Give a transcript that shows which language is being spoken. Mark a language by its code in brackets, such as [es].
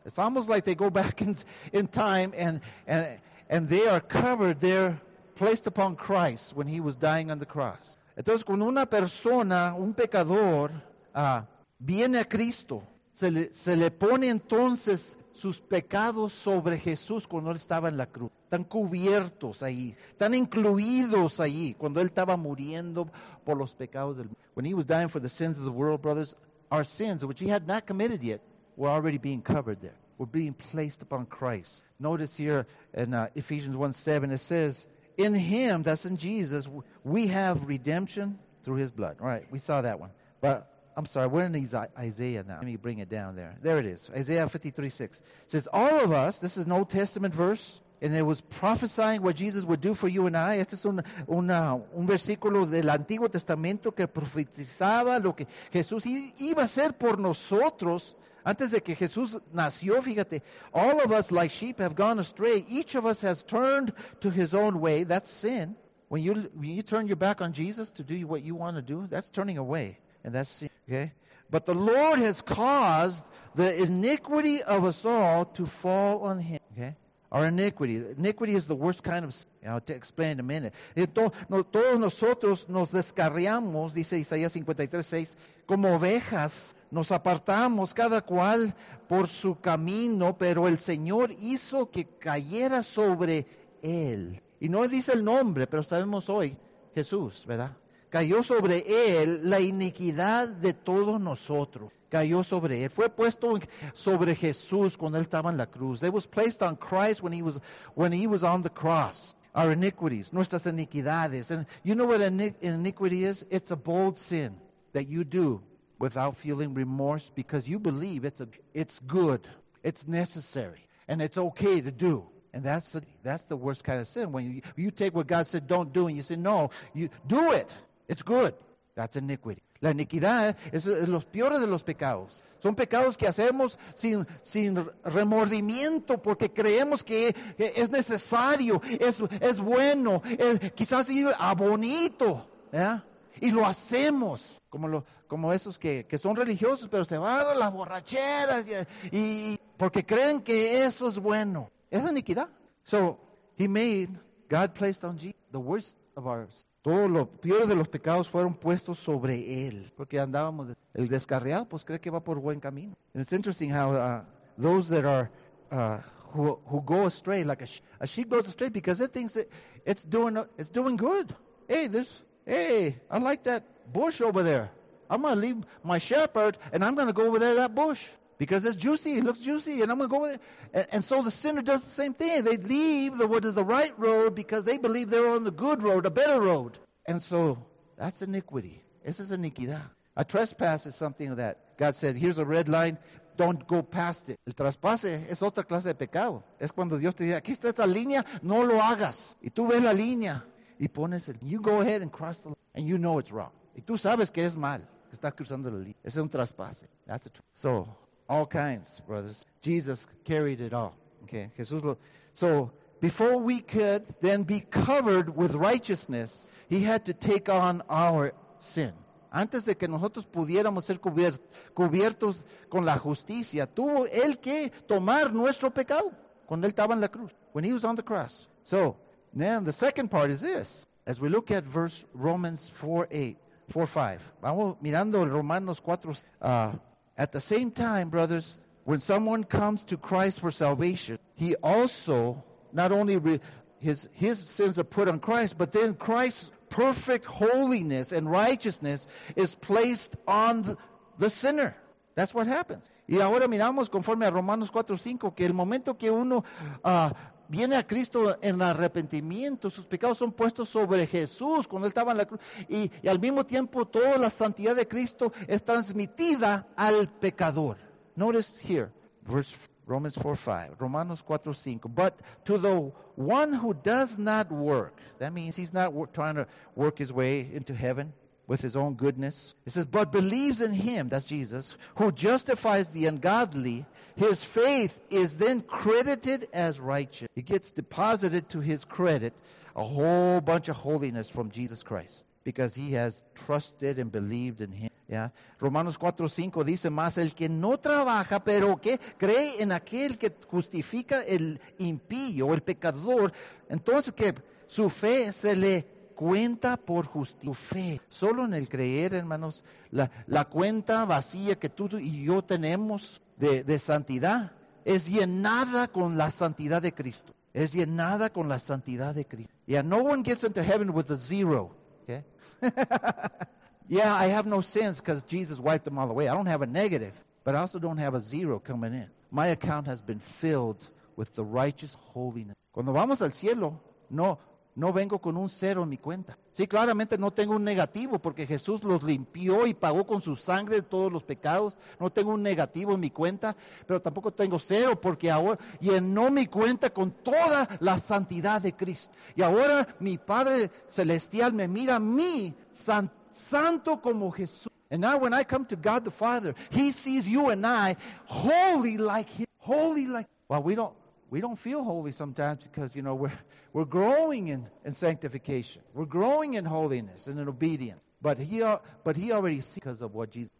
[en] It's almost like they go back in time and they are covered, they're placed upon Christ when he was dying on the cross. [es] Entonces, cuando una persona, un pecador, viene a Cristo, se le pone entonces sus pecados sobre Jesús cuando él estaba en la cruz. Están cubiertos ahí, están incluidos ahí cuando él estaba muriendo por los pecados del mundo. [en] When he was dying for the sins of the world, brothers, our sins, which he had not committed yet, were already being covered there. Were being placed upon Christ. Notice here in Ephesians 1:7, it says, in him, that's in Jesus, we have redemption through his blood. All right, we saw that one. But I'm sorry, we're in Isaiah now. Let me bring it down there. There it is, Isaiah 53:6. It says, all of us, this is an Old Testament verse, and it was prophesying what Jesus would do for you and I. [es] Este es un versículo del Antiguo Testamento que profetizaba lo que Jesús iba a hacer por nosotros antes de que Jesús nació. Fíjate, [en] all of us like sheep have gone astray. Each of us has turned to his own way. That's sin. When you turn your back on Jesus to do what you want to do, that's turning away. And that's sin. Okay? But the Lord has caused the iniquity of us all to fall on him. Okay? Our iniquity. Iniquity is the worst kind of sin. I'll explain in a minute. [es] Todos nosotros nos descarriamos, dice Isaías 53:6, como ovejas. Nos apartamos cada cual por su camino, pero el Señor hizo que cayera sobre él. Y no dice el nombre, pero sabemos hoy, Jesús, ¿verdad? Cayó sobre él la iniquidad de todos nosotros. Cayó sobre él. Fue puesto sobre Jesús cuando él estaba en la cruz. [en] It was placed on Christ when he was on the cross. Our iniquities, [es] nuestras iniquidades. [en] And you know what iniquity is? It's a bold sin that you do without feeling remorse, because you believe it's good, it's necessary, and it's okay to do. And that's the worst kind of sin. When you take what God said don't do, and you say, no, you do it, it's good. That's iniquity. [es] La iniquidad es los peores de los pecados. Son pecados que hacemos sin remordimiento, porque creemos que es necesario, es bueno, quizás a bonito, ¿eh? Y lo hacemos, como esos que son religiosos, pero se van a las borracheras, y porque creen que eso es bueno. Es iniquidad. [en] So, God placed on Jesus the worst of ours. [es] Todos los peores de los pecados fueron puestos sobre él. Porque andábamos, el descarriado, pues cree que va por buen camino. [en] And it's interesting how those that are, who go astray, like a sheep goes astray because it thinks it's doing good. Hey, I like that bush over there. I'm going to leave my shepherd, and I'm going to go over there to that bush because it's juicy. It looks juicy, and I'm going to go over there. And so the sinner does the same thing. They leave the right road because they believe they're on the good road, a better road. And so that's iniquity. This is [es] iniquidad. [en] A trespass is something that God said, here's a red line, don't go past it. [es] El traspase es otra clase de pecado. Es cuando Dios te dice, aquí está esta línea, no lo hagas. Y tú ves la línea. Y pones el, [en] you go ahead and cross the line, and you know it's wrong. [es] Y tú sabes que es mal, que estás cruzando la línea. Ese es un traspase. [en] That's the truth. So, all kinds, brothers. Jesus carried it all. Okay, [es] Jesús lo. [en] So, before we could then be covered with righteousness, he had to take on our sin. [es] Antes de que nosotros pudiéramos ser cubiertos con la justicia, tuvo él que tomar nuestro pecado cuando él estaba en la cruz. [en] When he was on the cross. So, then the second part is this. As we look at verse Romans 4:5. [es] Vamos mirando Romanos 4. [en] At the same time, brothers, when someone comes to Christ for salvation, he also, not only his sins are put on Christ, but then Christ's perfect holiness and righteousness is placed on the sinner. That's what happens. [es] Y ahora miramos conforme a Romanos 4:5 que el momento que uno viene a Cristo en arrepentimiento, sus pecados son puestos sobre Jesús cuando Él estaba en la cruz. Y al mismo tiempo, toda la santidad de Cristo es transmitida al pecador. [en] Notice here, Romanos 4:5. But to the one who does not work, that means he's not trying to work his way into heaven with his own goodness. It says, but believes in him, that's Jesus, who justifies the ungodly, his faith is then credited as righteous. It gets deposited to his credit a whole bunch of holiness from Jesus Christ because he has trusted and believed in him. Yeah. [es] Romanos 4:5 dice más, el que no trabaja, pero que cree en aquel que justifica el impío, el pecador, entonces que su fe se le cuenta por justicia. Su fe, solo en el creer, hermanos, la cuenta vacía que tú y yo tenemos de santidad, es llenada con la santidad de Cristo. Es llenada con la santidad de Cristo. [en] Yeah, no one gets into heaven with a zero. Okay? Yeah, I have no sins because Jesus wiped them all away. I don't have a negative, but I also don't have a zero coming in. My account has been filled with the righteous holiness. [es] Cuando vamos al cielo, no vengo con un cero en mi cuenta. Sí, claramente no tengo un negativo porque Jesús los limpió y pagó con su sangre todos los pecados. No tengo un negativo en mi cuenta, pero tampoco tengo cero porque ahora llenó mi cuenta con toda la santidad de Cristo. Y ahora mi Padre Celestial me mira a mí, santo como Jesús. [en] And now when I come to God the Father, He sees you and I holy like Him. Holy like Him. Well, we don't feel holy sometimes because, you know, we're growing in sanctification. We're growing in holiness and in obedience. But he already sees because of what Jesus.